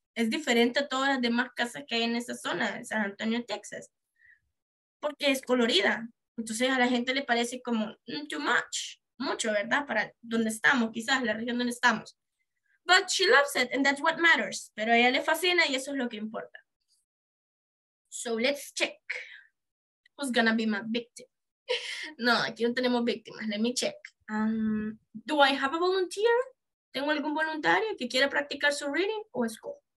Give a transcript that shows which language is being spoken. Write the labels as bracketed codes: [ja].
[es] Es diferente a todas las demás casas que hay en esa zona, en San Antonio, Texas. Porque es colorida. Entonces a la gente le parece como too much. Mucho, ¿verdad? Para donde estamos, quizás la región donde estamos. [en] But she loves it and that's what matters. [es] Pero a ella le fascina y eso es lo que importa. [en] So let's check. Who's gonna be my victim? No, aquí no tenemos víctimas. Let me check. Do I have a volunteer? [es] ¿Tengo algún voluntario que quiera practicar su reading o school?